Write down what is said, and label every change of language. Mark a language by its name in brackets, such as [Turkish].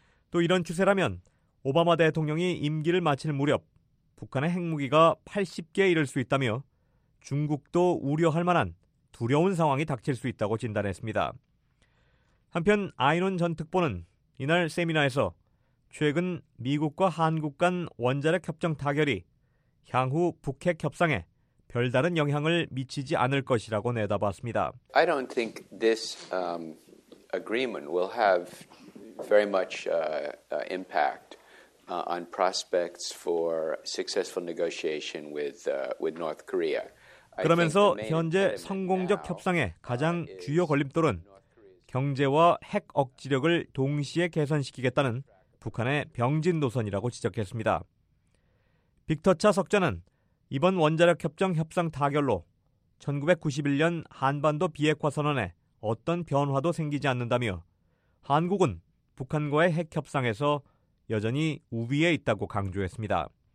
[Korean] 또 이런 추세라면 오바마 대통령이 임기를 마칠 무렵 북한의 핵무기가 80개에 이를 수 있다며 중국도 우려할 만한 두려운 상황이 닥칠 수 있다고 진단했습니다. 한편 아이논 전 특보는 이날 세미나에서 최근 미국과 한국 간 원자력 협정 타결이 향후 북핵 협상에 별다른 영향을 미치지 않을 것이라고 내다봤습니다. [English] I don't think this agreement will have very much impact on prospects for successful negotiation with North Korea. [Korean] 그러면서 현재 성공적 협상의 가장 주요 걸림돌은 경제와 핵 억지력을 동시에 개선시키겠다는 북한의 병진 노선이라고 지적했습니다. 빅터 차 석좌는 이번 원자력 협정 협상 타결로 1991년 한반도 비핵화 선언에 어떤 변화도 생기지 않는다며 한국은 북한과의 핵 협상에서 여전히 우위에 있다고 강조했습니다.